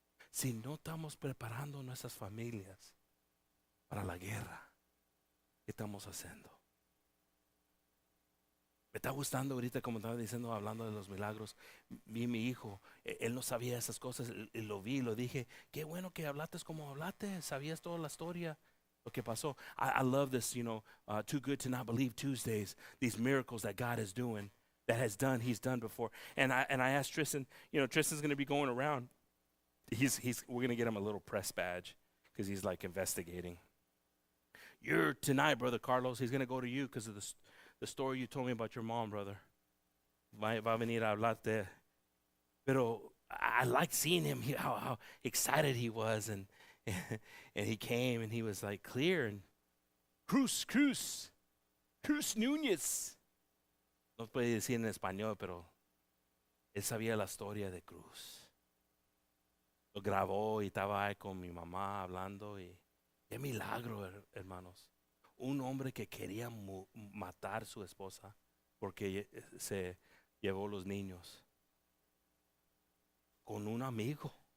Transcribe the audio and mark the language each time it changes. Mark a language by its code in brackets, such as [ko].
[es] Si no estamos preparando nuestras familias para la guerra, ¿qué estamos haciendo? Me está gustando ahorita, como estaba diciendo, hablando de los milagros. Vi mi hijo, él no sabía esas cosas, y lo vi y lo dije, qué bueno que hablaste como hablaste, sabías toda la historia, lo que pasó. [en] I love this, you know, too good to not believe Tuesdays, these miracles that God is doing, that has done, he's done before. And I asked Tristan, you know, Tristan's going to be going around. He's we're going to get him a little press badge because he's like investigating. You're tonight, Brother Carlos, he's going to go to you because of the story you told me about your mom, brother. [es] Va a venir a hablarte. Pero [en] I like seeing him, how excited he was. And he came and he was like clear. And Cruz Núñez. [es] No puede decir en español, pero él sabía la historia de Cruz. Lo grabó y estaba ahí con mi mamá hablando. Y qué milagro, hermanos. Un hombre que quería matar su esposa porque se llevó los niños con un amigo.